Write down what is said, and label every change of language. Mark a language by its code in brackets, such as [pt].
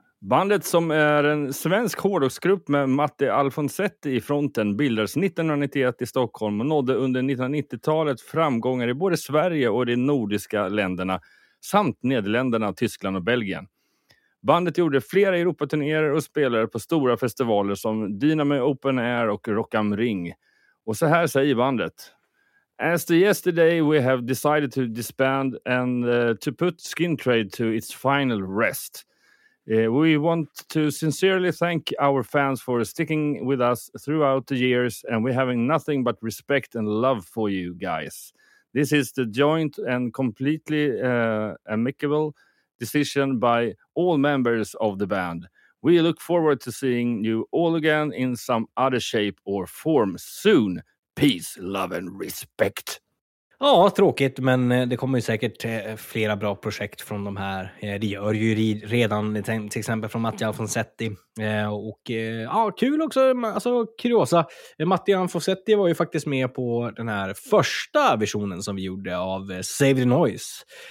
[sv] Bandet som är en svensk hårdrocksgrupp med Matti Alfonsetti i fronten bildades 1991 i Stockholm och nådde under 1990-talet framgångar i både Sverige och de nordiska länderna. Samt Nederländerna, Tyskland och Belgien. Bandet gjorde flera Europaturnéer och spelade på stora festivaler som Dynamo Open Air och Rock Am Ring. Och så här säger bandet. [en] As of yesterday we have decided to disband and to put Skin Trade to its final rest. We want to sincerely thank our fans for sticking with us throughout the years and we having nothing but respect and love for you guys. This is the joint and completely amicable decision by all members of the band. We look forward to seeing you all again in some other shape or form soon. Peace, love and respect. [sv] Ja, tråkigt, men det kommer ju säkert flera bra projekt från de här. Det gör ju redan till exempel från Matti Alfonsetti. Och ja, kul också, alltså kuriosa. Matti Alfonsetti var ju faktiskt med på den här första versionen som vi gjorde av Save the Noise.